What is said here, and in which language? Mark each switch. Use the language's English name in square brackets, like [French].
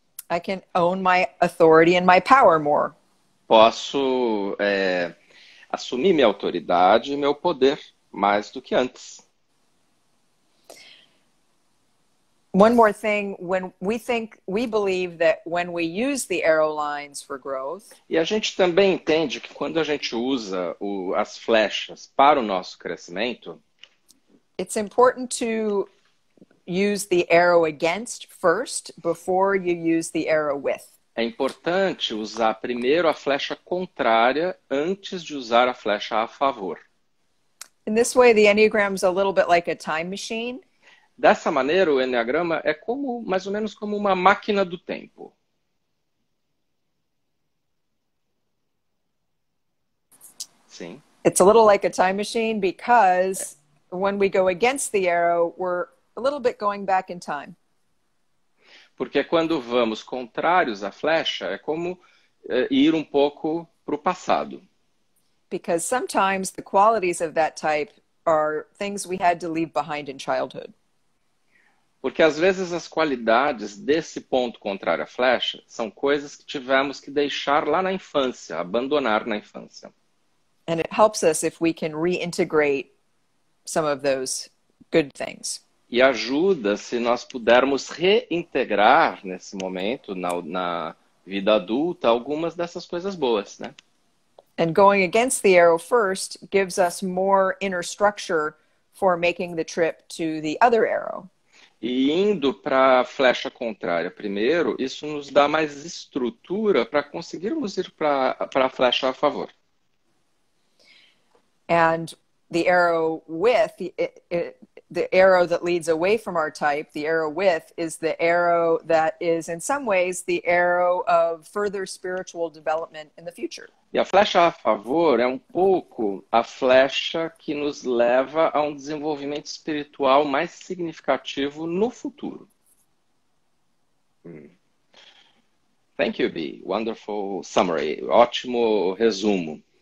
[English] I can own my authority and my power more. [Portuguese] Posso assumir minha autoridade e meu poder mais do que antes. [English] One more thing, when we think, we believe that when we use the arrow lines for growth. [Portuguese] E a gente também entende que quando a gente usa as flechas para o nosso crescimento, [English] it's important to use the arrow against first before you use the arrow with. [Portuguese] É importante usar primeiro a flecha contrária antes de usar a flecha a favor. [English] In this way, the Enneagram is a little bit like a time machine. [Portuguese] Dessa maneira, o Eneagrama é como, mais ou menos como uma máquina do tempo. Sim. [English] It's a little like a time machine because when we go against the arrow, we're a little bit going back in time. [Portuguese] Porque quando vamos contrários à flecha, é como ir um pouco para o passado. [English] Because sometimes the qualities of that type are things we had to leave behind in childhood. [Portuguese] Porque às vezes as qualidades desse ponto contrário à flecha são coisas que tivemos que deixar lá na infância, abandonar na infância. [English] And it helps us if we can reintegrate some of those good things. [Portuguese] E ajuda se nós pudermos reintegrar nesse momento, na vida adulta, algumas dessas coisas boas, né? [English] And going against the arrow first gives us more inner structure for making the trip to the other arrow. [Portuguese] E indo para a flecha contrária primeiro, isso nos dá mais estrutura para conseguirmos ir para a flecha a favor. [English] And the arrow with, the arrow that leads away from our type, the arrow with, is the arrow that is, in some ways, the arrow of further spiritual development in the future. [Portuguese] E a flecha a favor é um pouco a flecha que nos leva a um desenvolvimento espiritual mais significativo no futuro. [English] Thank you, Bee. Wonderful summary. [Portuguese] Ótimo resumo.